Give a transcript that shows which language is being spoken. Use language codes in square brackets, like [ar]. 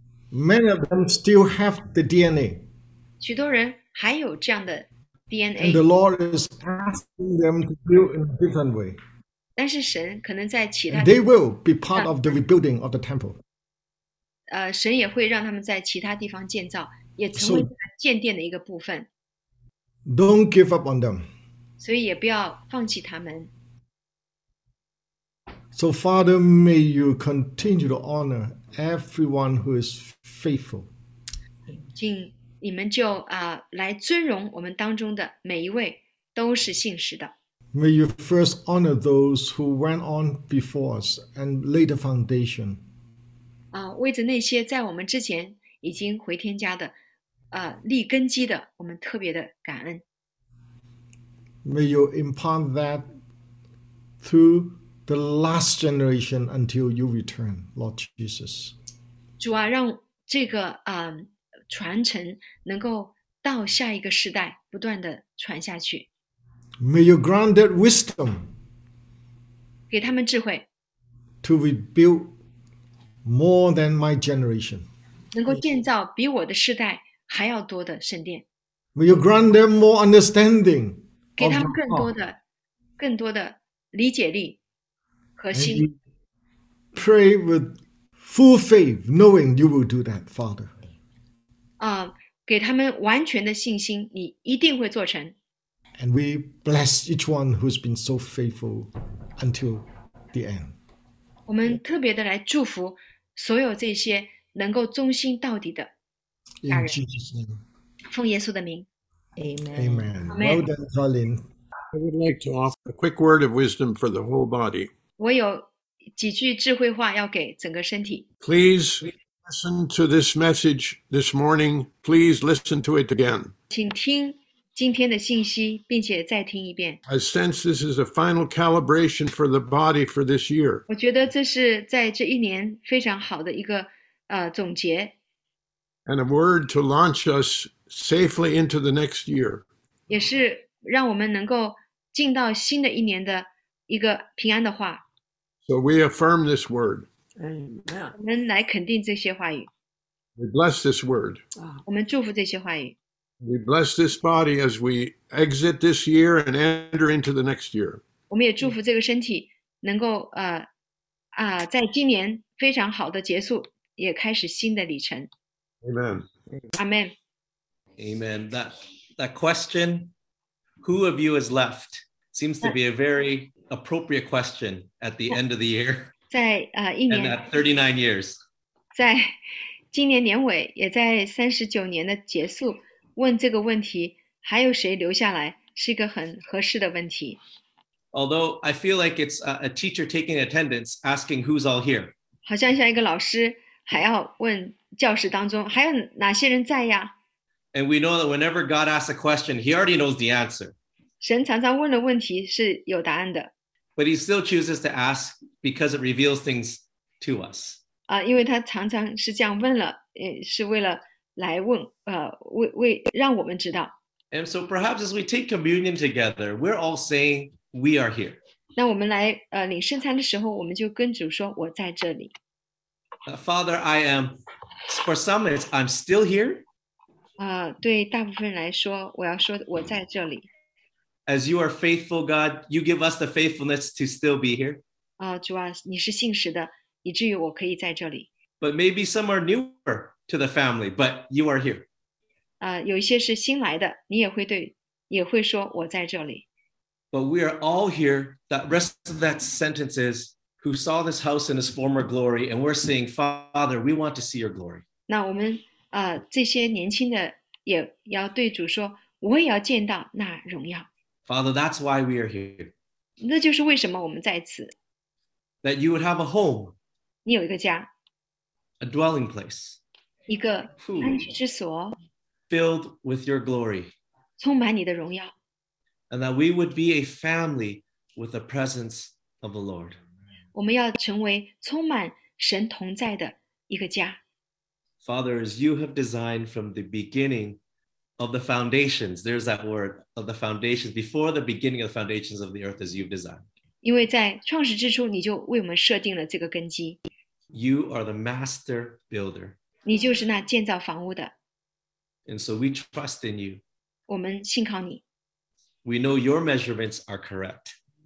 [en] Many of them still have the DNA. [zh] 许多人还有这样的 DNA. [en] And the Lord is asking them to build in a different way. [zh] 但是神可能在其他地方。 [en] And they will be part of the rebuilding of the temple. [zh] 神也会让他们在其他地方建造，也成为建殿的一个部分。 [en] So, don't give up on them. [zh] 所以也不要放弃他们。 [en] So, Father, may you continue to honor everyone who is faithful. [zh] 请你们就来尊荣我们当中的每一位都是信实的。 [en] May you first honor those who went on before us and laid the foundation. [zh] 为着那些在我们之前已经回天家的立根基的，我们特别的感恩。 [en] May you impart that through the last generation until you return, Lord Jesus. [zh] 主啊，让这个传承能够到下一个世代不断地传下去。 [en] May you grant that wisdom. [zh] 给他们智慧。 [en] To rebuild more than my generation. [zh] 能够建造比我的世代还要多的圣殿。 [en] May you grant them more understanding. [zh] 给他们更多的理解力。 [en] And we pray with full faith, knowing you will do that, Father. [zh] 给他们完全的信心，你一定会做成。 [en] And we bless each one who's been so faithful until the end. [zh] 我们特别的来祝福所有这些能够忠心到底的大人。 [en] In Jesus' name. [zh] 奉耶稣的名。 [en] Amen. Amen. Amen. Well done, Colin. I would like to offer a quick word of wisdom for the whole body. [zh] 我有几句智慧话要给整个身体。 [en] Please listen to this message this morning. Please listen to it again. [zh] 请听今天的信息，并且再听一遍。 [en] I sense this is a final calibration for the body for this year. [zh] 我觉得这是在这一年非常好的一个总结。 [en] And a word to launch us safely into the next year. [zh] 也是让我们能够进到新的一年的一个平安的话。 [en] So we affirm this word. Amen. [zh] 我们来肯定这些话语。 [en] We bless this word. [zh] 我们祝福这些话语。 [en] We bless this body as we exit this year and enter into the next year. [zh] 我们也祝福这个身体能够在今年非常好的结束，也开始新的旅程。 [en] Amen. Amen. Amen. That question, who of you is left, seems to be a very appropriate question at the end of the year. [zh] 在一年。 [en] And at 39 years. [zh] 在今年年尾，也在39年的结束。问这个问题，还有谁留下来，是一个很合适的问题。 [en] Although I feel like it's a teacher taking attendance, asking who's all here. [zh] 好像像一个老师，还要问教室当中，还有哪些人在呀？ [en] And we know that whenever God asks a question, he already knows the answer. [zh] 神常常问的问题是有答案的。 [en] But he still chooses to ask because it reveals things to us. [zh] 因为他常常是这样问了，是为了来问，为让我们知道。 [en] And so perhaps as we take communion together, we're all saying we are here. [zh] 那我们来领圣餐的时候，我们就跟主说，我在这里。 [en] Father, I am. For some, I'm still here. [zh] 对大部分人来说，我要说我在这里。 [en] As you are faithful, God, you give us the faithfulness to still be here. [zh] 主啊，你是信实的，以至于我可以在这里。 [en] But maybe some are newer. To the family, but you are here. [zh] 有一些是新来的，你也会对，也会说我在这里。 [en] But we are all here. That rest of that sentence is, who saw this house in its former glory, and we're saying, Father, we want to see your glory. [zh] 那我们这些年轻的也要对主说，我也要见到那荣耀。 [en] Father, that's why we are here. [zh] 那就是为什么我们在此。 [en] That you would have a home. [zh] 你有一个家。 [en] A dwelling place. [zh] 一个安居之所 [en] filled with your glory, [zh] 充满你的荣耀 [en] and that we would be a family with the presence of the Lord. [zh] 我们要成为充满神同在的一个家 [en] Father, as you have designed from the beginning of the foundations, there's that word, of the foundations, before the beginning of the foundations of the earth, as you've designed. [zh] 因为在创始之初，你就为我们设定了这个根基 [en] You are the master builder. [zh] 你就是那建造房屋的。 [en] And so we trust in you. [zh] 我们信靠你。 [en] We know your measurements are correct.